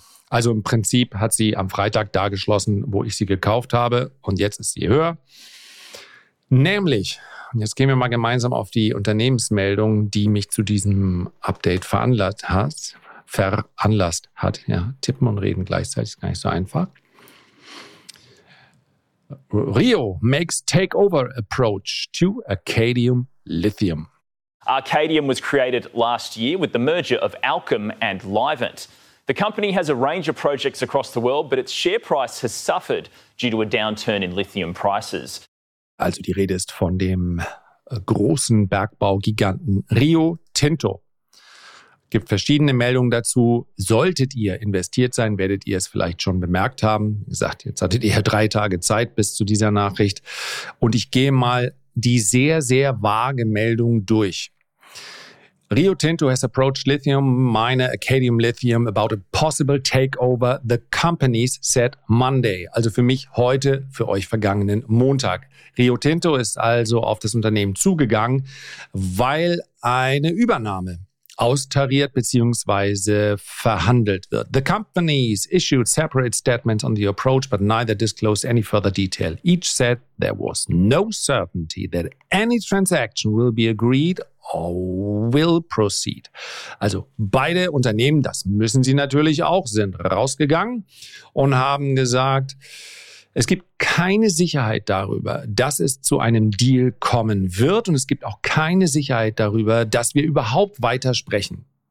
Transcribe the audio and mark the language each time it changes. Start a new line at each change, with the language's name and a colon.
German: Also im Prinzip hat sie am Freitag da geschlossen, wo ich sie gekauft habe. Und jetzt ist sie höher. Nämlich, und jetzt gehen wir mal gemeinsam auf die Unternehmensmeldung, die mich zu diesem Update veranlasst hat. Ja, tippen und reden gleichzeitig ist gar nicht so einfach.
English: Rio makes takeover approach to Arcadium Lithium. Arcadium was created last year with the merger of Allkem and Livent. The company has a range of projects across the world, but its share price has suffered due to a downturn in lithium prices.
German: Also die Rede ist von dem großen Bergbaugiganten Rio Tinto. Gibt verschiedene Meldungen dazu. Solltet ihr investiert sein, werdet ihr es vielleicht schon bemerkt haben. Wie gesagt, jetzt hattet ihr 3 Tage Zeit bis zu dieser Nachricht. Und ich gehe mal die sehr, sehr vage Meldung durch.
English: Rio Tinto has approached lithium miner Arcadium Lithium about a possible takeover, the company said Monday.
German: Also für mich heute, für euch vergangenen Montag. Rio Tinto ist also auf das Unternehmen zugegangen, weil eine Übernahme austariert bzw. verhandelt wird.
English: The companies issued separate statements on the approach, but neither disclosed any further detail. Each said there was no certainty that any transaction will be agreed or will proceed.
German: Also beide Unternehmen, das müssen sie natürlich auch, sind rausgegangen und haben gesagt, es gibt keine Sicherheit darüber, dass es zu einem Deal kommen wird und es gibt auch keine Sicherheit darüber, dass wir überhaupt weitersprechen.